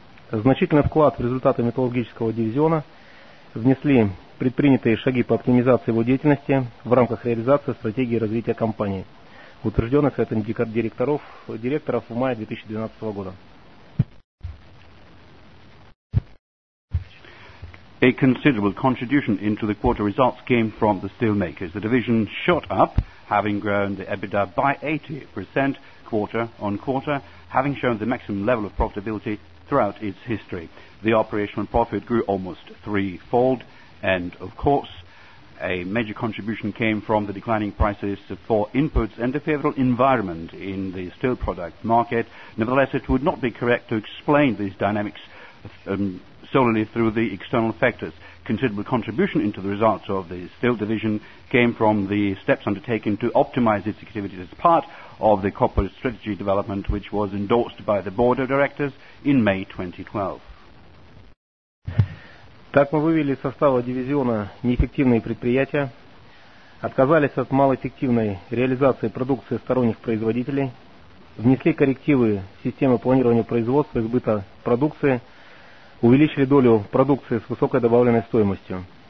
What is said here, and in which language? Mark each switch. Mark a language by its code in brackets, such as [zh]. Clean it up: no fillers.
[ru] Значительный вклад в результаты металлургического дивизиона внесли предпринятые шаги по оптимизации его деятельности в рамках реализации стратегии развития компании, утвержденной Советом директоров в мае 2012 года. [en] A considerable contribution into the quarter results came from the steelmakers. The division shot up, having grown the EBITDA by 80% quarter on quarter, having shown the maximum level of profitability throughout its history. The operational profit grew almost threefold, and of course, a major contribution came from the declining prices for inputs and the favorable environment in the steel product market. Nevertheless, it would not be correct to explain these dynamics solely through the external factors. Considerable contribution into the results of the steel division came from the steps undertaken to optimize its activities as part of the corporate strategy development, which was endorsed by the board of directors in May 2012. [ru] Так мы вывели из состава дивизиона неэффективные предприятия, отказались от малоэффективной реализации продукции сторонних производителей, внесли коррективы в систему планирования производства и сбыта продукции, увеличили долю продукции с высокой добавленной стоимостью.